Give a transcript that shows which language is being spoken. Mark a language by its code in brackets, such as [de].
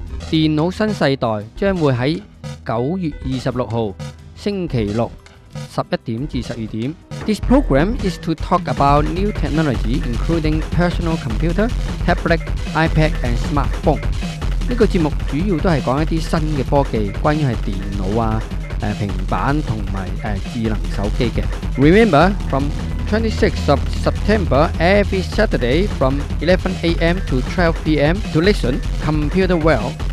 [zh] 電腦新世代將會在9月26號星期六11點至12點。 [en] This program is to talk about new technology including personal computer, tablet, iPad and smartphone. [zh] 這個節目主要都是講一些新的科技，關於是電腦啊、平板和、智能手機的。 [en] Remember from 26th of September every Saturday from 11 a.m. to 12 p.m. to listen Computer Well.